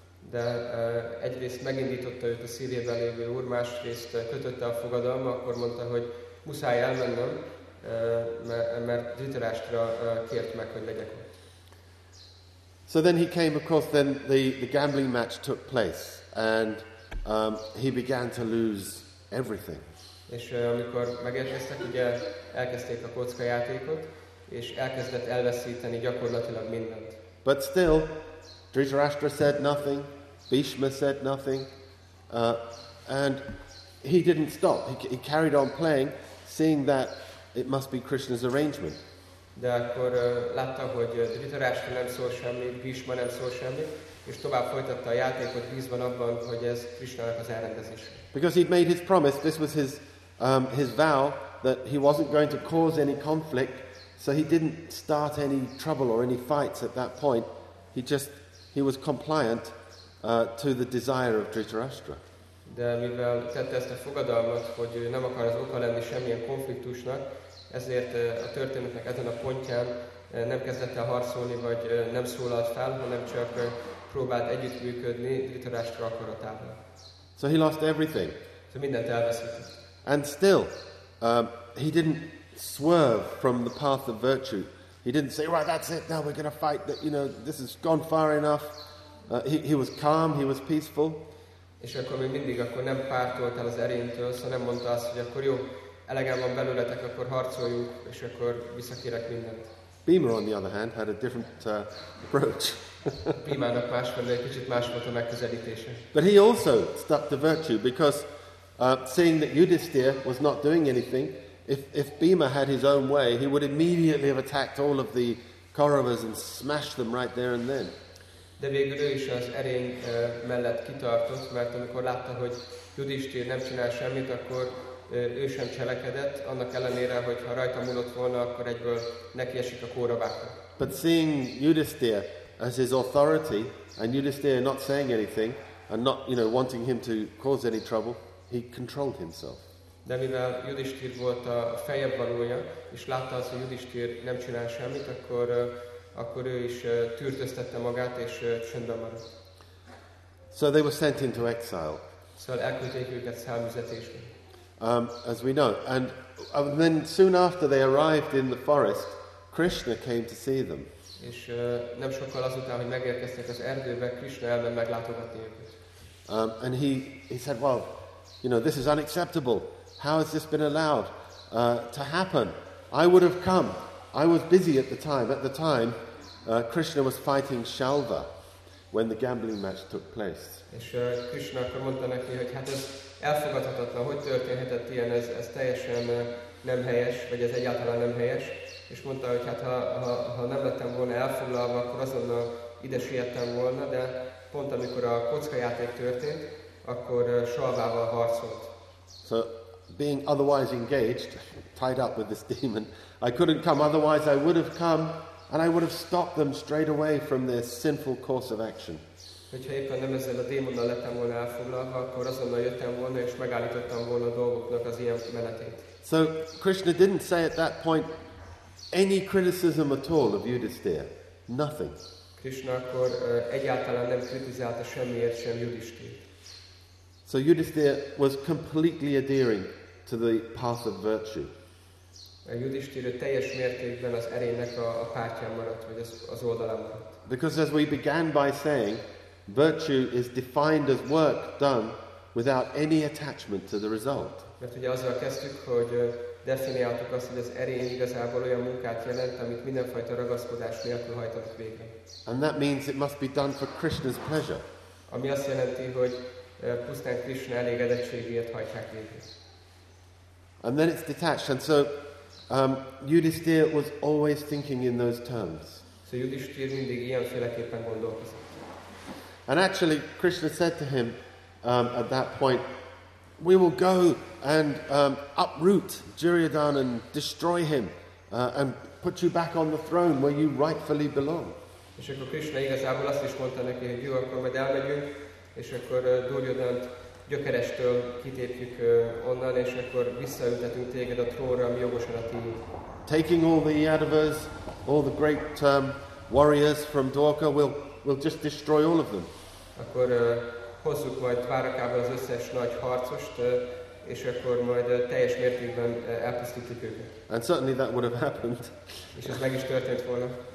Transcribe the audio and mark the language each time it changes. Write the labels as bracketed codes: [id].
[hu] De egyrészt megindította őt a szívében lévő úr, másrészt kötötte a fogadalma, akkor mondta, hogy muszáj elmennem, mert Dhritarashtra kért meg, hogy legyek ott. [en] So then he came, of course, then the gambling match took place, and he began to lose everything. [hu] És amikor megérkeztek, ugye elkezdték a kockajátékot, és elkezdett elveszíteni gyakorlatilag mindent. [en] But still, Dhritarashtra said nothing, Bhishma said nothing, and he didn't stop. He carried on playing, seeing that it must be Krishna's arrangement. [hu] De akkor látta, hogy Dhritarashtra nem szól semmit, Bhishma nem szól semmit, és tovább folytatta a játékot bízva abban, hogy ez Krishnának az elrendezés. [en] Because he'd made his promise, this was his vow, that he wasn't going to cause any conflict, so he didn't start any trouble or any fights at that point. He was compliant to the desire of Dhritarashtra. [hu] De mivel tette ezt a fogadalmat, hogy nem akar az oka lenni semmilyen konfliktusnak, ezért a történetnek ezen a pontján nem kezdett el harcolni, vagy nem szólalt fel, hanem csak próbált együttműködni Dhritarashtra akaratával. [en] So he lost everything. [hu] So mindent elveszített. [en] And still, he didn't swerve from the path of virtue. He didn't say, right, that's it, now we're going to fight, that, you know, this has gone far enough. He was calm, he was peaceful. [hu] És akkor még mindig, akkor nem pártolt el az erénytől, szóval nem mondta azt, hogy akkor jó, elegem van belőletek, akkor harcoljunk, és akkor visszakérek mindent. [en] Bhima, on the other hand, had a different approach. [hu] Bhimának másfelől egy kicsit más volt a megközelítése. [en] But he also stuck to virtue, because seeing that Yudhisthira was not doing anything, if Bhima had his own way, he would immediately have attacked all of the Kauravas and smashed them right there and then. [hu] De végül ő is az erény mellett kitartott, mert amikor látta, hogy Yudhisthira nem csinál semmit, akkor ő sem cselekedett, annak ellenére, hogy ha rajta múlott volna, akkor egyből nekiesik a Kauravákra. [en] But seeing Yudhisthira as his authority, and Yudhisthira not saying anything and not, you know, wanting him to cause any trouble, he controlled himself. [hu] De mivel Yudhisthira volt a fejebb valója, és látta azt, hogy Yudhisthira nem csinál semmit, akkor ő is tűrtöztette magát, és csöndben maradt. [en] So they were sent into exile. [hu] Szóval elküldték őket számüzetésbe. [en] As we know. And then soon after they arrived in the forest, Krishna came to see them. [hu] És nem sokkal azután, hogy megérkeztek az erdőbe, Krishna elment meglátogatni őket. [en] And he said, well, you know, this is unacceptable. How has this been allowed to happen? I would have come. I was busy at the time. At the time, Krishna was fighting Shalva when the gambling match took place. [hu] És Krishna akkor mondta neki, hogy hát ez elfogadhatatlan, hogy történhetett ilyen, ez teljesen nem helyes, vagy ez egyáltalán nem helyes. És mondta, hogy hát ha nem lettem volna elfoglalva, akkor azonnal ide siettem volna, de pont amikor a kockajáték történt, akkor Shalvával harcolt. [en] So, being otherwise engaged, tied up with this demon, I couldn't come, otherwise I would have come and I would have stopped them straight away from their sinful course of action. [hu] Hogyha éppen nem ezzel a démonnal lettem volna elfoglalva, akkor azonnal jöttem volna és megállítottam volna a dolgoknak az ilyen menetét. [en] So Krishna didn't say at that point any criticism at all of Yudhisthira. Nothing. [hu] Krishna akkor egyáltalán nem kritizálta semmiért sem Yudhisthira. [en] So Yudhisthira was completely adhering to the path of virtue. [hu] A Yudhisthira teljes mértékben az erénynek a pártján maradt, vagy az oldalán maradt. [en] Because as we began by saying, virtue is defined as work done without any attachment to the result. [hu] Mert ugye azzal kezdtük, hogy definiáltuk azt, hogy az erény igazából olyan munkát jelent, amit mindenfajta ragaszkodás nélkül hajtott végre. [en] And that means it must be done for Krishna's pleasure. [hu] Ami azt jelenti, hogy pusztán Krishna elégedettségéért hajtják végre. [en] And then it's detached, and so Yudhisthira was always thinking in those terms. [hu] So Yudhisthira mindig ilyenféleképpen gondolkozott. [en] And actually, Krishna said to him at that point, we will go and uproot Duryodhana and destroy him and put you back on the throne where you rightfully belong. [hu] És akkor Krishna igazából azt is mondta neki, hogy jó, akkor majd elmegyünk, és akkor Duryodhant gyökerestől kitépjük onnan, és akkor visszaültetünk téged a trónra, ami jogosan a tiéd. [en] Taking all the Yadavas, all the great warriors from Dwarka, we'll just destroy all of them. [hu] Akkor hozzuk majd Dwarkába az összes nagy harcost, és akkor majd teljes mértékben elpusztítjuk őket. [en] And certainly that would have happened. [hu] És ez meg is történt volna.